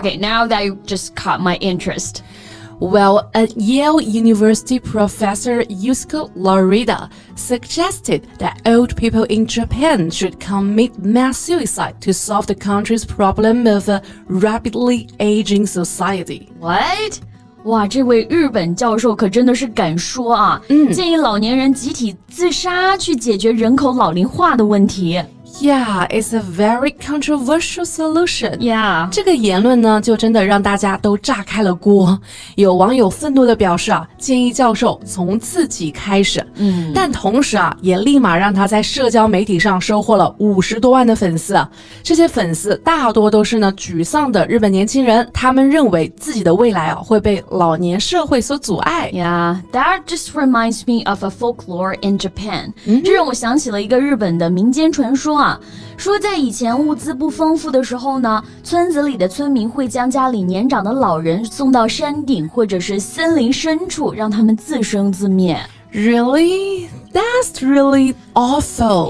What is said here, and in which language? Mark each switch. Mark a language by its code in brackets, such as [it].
[en] Okay, now that you just caught my interest. Well, a Yale University professor, Yusuke Larida, suggested that old people in Japan should commit mass suicide to solve the country's problem of a rapidly aging society. What? [zh] 哇，这位日本教授可真的是敢说啊，建议老年人集体自杀去解决人口老龄化的问题。 [en] Yeah, it's a very controversial solution. Yeah. [zh] 这个言论呢就真的让大家都炸开了锅。有网友愤怒地表示啊，建议教授从自己开始。嗯。但同时啊，也立马让他在社交媒体上收获了50多万的粉丝。这些粉丝大多都是呢沮丧的日本年轻人，他们认为自己的未来啊会被老年社会所阻碍。 [en] Yeah, that just reminds me of a folklore in Japan. 嗯。 [zh] 这让我想起了一个日本的民间传说。说在以前物资不丰富的时候呢，村子里的村民会将家里年长的老人送到山顶或者是森林深处，让他们自生自灭。 [en] Really? That's really awful.